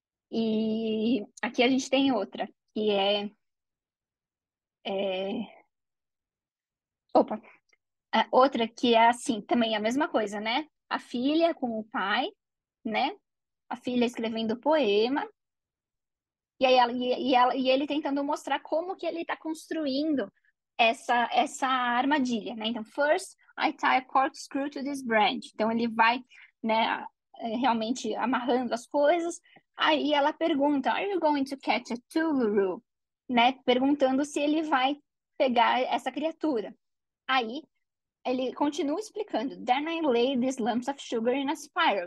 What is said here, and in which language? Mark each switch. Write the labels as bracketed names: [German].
[Portuguese] E aqui a gente tem outra, que opa, outra que é assim, também a mesma coisa, né? A filha com o pai, né? A filha escrevendo poema, e aí ela, e ela, e ele tentando mostrar como que ele está construindo essa armadilha, né? [English] Então, first I tie a corkscrew to this branch. [Portuguese] Então ele vai, né, realmente amarrando as coisas. Aí ela pergunta: [English] "Are you going to catch a tuluru?", [Portuguese] né, perguntando se ele vai pegar essa criatura. Aí ele continua explicando: [English] "Then I lay these lumps of sugar in a spiral."